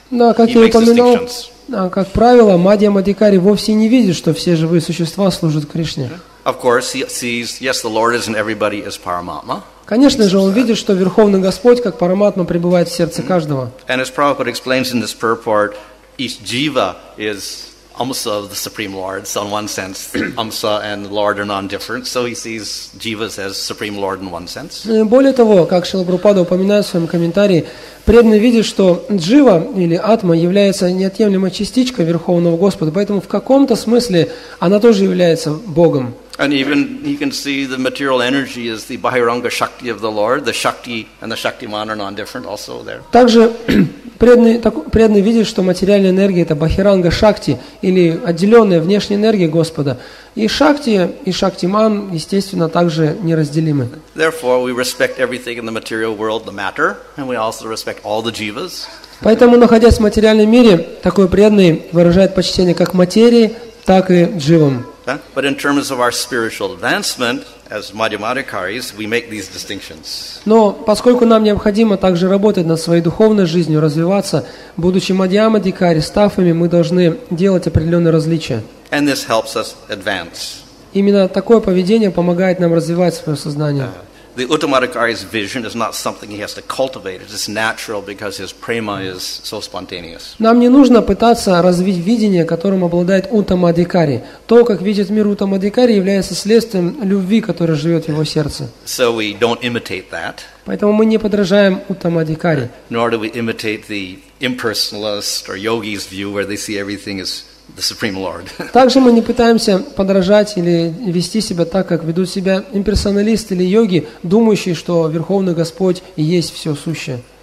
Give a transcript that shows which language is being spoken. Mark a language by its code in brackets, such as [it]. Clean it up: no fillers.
[ru] Да, как я упоминал, как правило, Мадхьямадхикари вовсе не видит, что все живые существа служат Кришне. [en] Of course, he sees. Yes, the Lord is in everybody as Paramatma. [ru] Конечно же, он видит, что Верховный Господь как Параматма пребывает в сердце каждого. [en] And as Prabhupada explains in this purport, each jiva is amsa of the Supreme Lord. So in one sense, amsa and Lord are non-different. So he sees jivas as Supreme Lord in one sense. [ru] Более того, как Шрила Прабхупада упоминает в своем комментарии, преданный видит, что джива или атма является неотъемлемой частичкой Верховного Господа, поэтому в каком-то смысле она тоже является Богом. [en] And even he can see the material energy is the Bahiranga Shakti of the Lord. The Shakti and the Shaktiman are non-different also there. [ru] Также преданный видит, что материальная энергия – это Бахиранга Шакти или отделенная внешняя энергия Господа. И Шакти, и Шактиман, естественно, также неразделимы. [en] Therefore, we respect everything in the material world, the matter, and we also respect all the jivas. [ru] Поэтому, находясь в материальном мире, такой преданный выражает почтение как материи, так и дживам. [en] But in terms of our spiritual advancement, as Madhyamadhikaris, we make these distinctions. [ru] Но поскольку нам необходимо также работать над своей духовной жизнью, развиваться, будучи Мадхьямадхикари, стафами, мы должны делать определенные различия. [en] And this helps us advance. [ru] Именно такое поведение помогает нам развивать свое сознание. [en] The Uttamadhikari's vision is not something he has to cultivate. It's natural because his prema is so spontaneous. [ru] Нам не нужно пытаться развить видение, которым обладает Уттамадхикари. То, как видит мир Уттамадхикари, является следствием любви, которая живет в его сердце. [en] So we don't imitate that. [ru] Поэтому мы не подражаем Уттамадхикари. [en] Nor do we imitate the impersonalist or yogi's view, where they see everything as the Supreme Lord. [ru] Также мы не пытаемся подражать или вести себя так, как ведут себя имперсоналисты или йоги, думающие, что Верховный Господь и есть все сущее.